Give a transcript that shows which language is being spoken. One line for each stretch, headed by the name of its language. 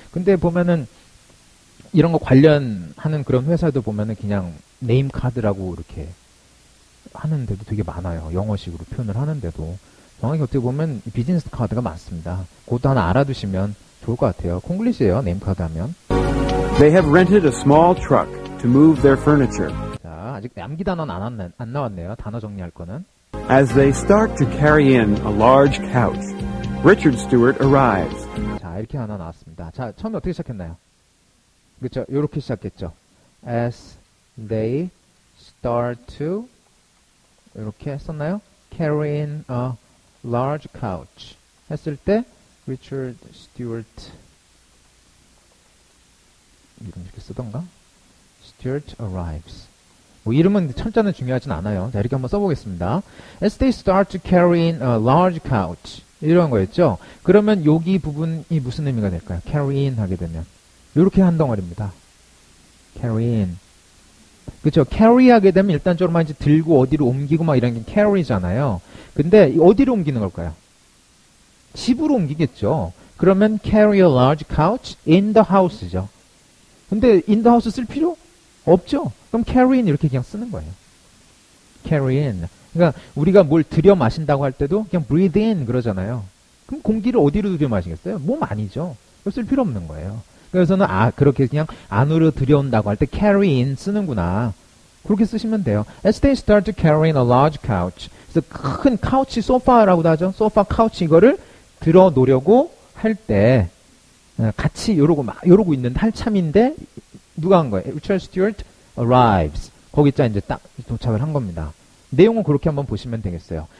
Korean: 근데 보면은 이런 거 관련하는 그런 회사도 보면은 그냥 네임 카드라고 이렇게 하는 데도 되게 많아요. 영어식으로 표현을 하는데도. 정확히 어떻게 보면 비즈니스 카드가 맞습니다. 그것도 하나 알아두시면 좋을 것 같아요. 콩글리시예요. 네임 카드 하면.
English: They have rented a small truck to move their furniture.
Korean: 자, 아직 암기 단어는 안 나왔네요. 단어 정리할 거는.
English: As they start to carry in a large couch, Richard Stewart arrives.
Korean: 자, 이렇게 하나 나왔습니다. 자, 처음에 어떻게 시작했나요? 그렇죠? 이렇게 시작했죠.
English: As they start to
Korean: 이렇게 썼나요?
English: Carry in a large couch
Korean: 했을 때 Richard Stewart 이름 이렇게 쓰던가?
English: Stewart arrives.
Korean: 뭐 이름은 철자는 중요하진 않아요. 자, 이렇게 한번 써보겠습니다.
English: As they start to carry in a large couch.
Korean: 이런 거였죠. 그러면 여기 부분이 무슨 의미가 될까요? carry in 하게 되면. 이렇게 한 덩어리입니다. carry in. 그쵸. carry 하게 되면 일단적으로 이제 들고 어디로 옮기고 막 이런 게 carry잖아요. 근데 어디로 옮기는 걸까요? 집으로 옮기겠죠.
English: 그러면 carry a large couch in the house죠.
Korean: 근데
English: in the house
Korean: 쓸 필요? 없죠? 그럼 carry in 이렇게 그냥 쓰는 거예요. carry in. 그러니까 우리가 뭘 들여 마신다고 할 때도 그냥 breathe in 그러잖아요. 그럼 공기를 어디로 들여 마시겠어요? 몸 아니죠. 쓸 필요 없는 거예요. 그래서는 그렇게 그냥 안으로 들여온다고 할 때 carry in 쓰는구나. 그렇게 쓰시면 돼요.
English: As they start to carry in a large couch.
Korean: 그래서 큰 카우치, 소파라고도 하죠. 소파, 카우치 이거를 들어 놓으려고 할 때 같이 이러고 있는데 한참인데 누가 한 거예요?
English: Richard Stewart arrives.
Korean: 거기자 이제 딱 도착을 한 겁니다. 내용은 그렇게 한번 보시면 되겠어요.